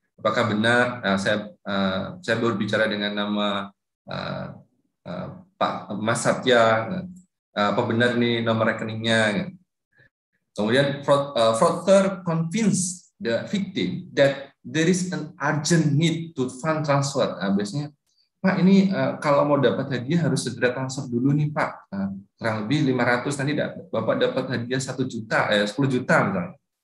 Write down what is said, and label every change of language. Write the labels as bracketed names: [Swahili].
[Indonesian] Apakah benar saya berbicara dengan nama Pak Mas Satya, apa benar nih nomor rekeningnya? [English] Kemudian fraudster convince the victim that there is an urgent need to fund transfer. [Indonesian] Biasanya, Pak ini kalau mau dapat hadiah harus segera transfer dulu nih Pak. Kurang lebih 500 nanti Bapak dapat hadiah 1 juta, 10 juta misalnya.